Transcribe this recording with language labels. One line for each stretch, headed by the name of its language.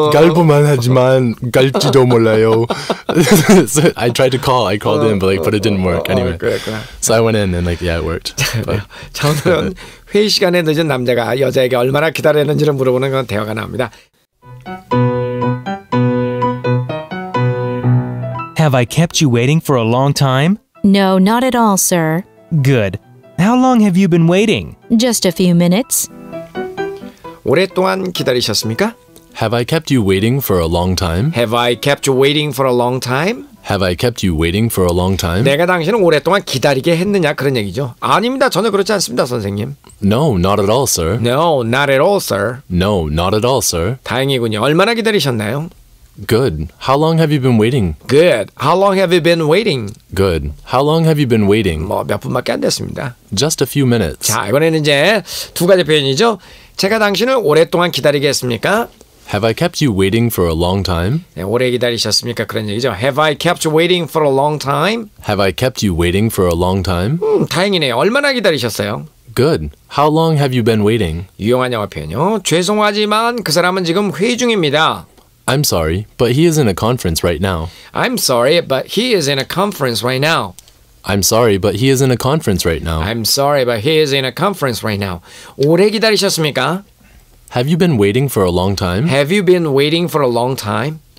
Korean: 갈 보만하지만 갈지도 몰라요.
English: So I tried to call. I called in, but it didn't work. Anyway, so I went in and like yeah, it worked.
Korean: 자, 오늘은 회의 시간에 늦은 남자가 여자에게 얼마나 기다렸는지를 물어보는 그런 대화가 나옵니다.
English: Have I kept you waiting for a long time? No, not at all, sir. Good. How long have you been waiting? Just a few minutes.
Korean: 오랫동안 기다리셨습니까?
English: Have I kept you waiting for a long time? Have I kept you waiting for a long time? Have I kept you waiting for a long time?
Korean: 내가 당신을 오랫동안 기다리게 했느냐 그런 얘기죠. 아닙니다. 전혀 그렇지 않습니다, 선생님.
English: No, not at all, sir. No, not at all, sir. No, not at all, sir.
Korean: 다행이군요. 얼마나 기다리셨나요?
English: Good. How long have you been waiting? Good. How long have you been waiting? Good. How long have you been waiting?
Korean: 뭐 몇 분밖에 안 됐습니다.
English: Just a few minutes.
Korean: 자, 이번에는 이제 두 가지 표현이죠. 제가 당신을 오랫동안 기다리게 했습니까?
English: Have I kept you waiting for a long time?
Korean: 네, 오래 기다리셨습니까? 그런 얘기죠.
English: Have I kept you waiting for a long time? Have I kept you waiting for a long time?
Korean: 다행이네요. 얼마나 기다리셨어요?
English: Good. How long have you been waiting?
Korean: 유용한 영어 표현이요. 죄송하지만 그 사람은 지금 회의 중입니다.
English: I'm sorry, but he is in a conference right now. I'm sorry, but he is in a conference right now. I'm sorry, but he is in a conference right now. I'm sorry, but he is in a conference right now.
Korean: 오래 기다리셨습니까?
English: Have you been waiting for a long time? Have you been waiting for a long time?